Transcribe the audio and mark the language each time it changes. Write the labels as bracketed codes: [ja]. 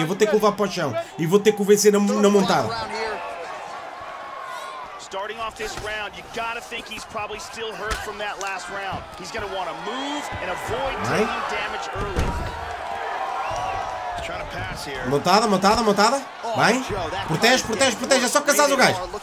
[pt] Eu vou ter que levar para o chão e vou ter que o vencer na montada. [en] Starting off this round, you gotta think he's probably still hurt from that last round. He's gonna want to move and avoid taking damage early. He's trying to pass here. [pt] Montada, montada, montada. Vai. Protege, protege, protege. É só casar o gajo.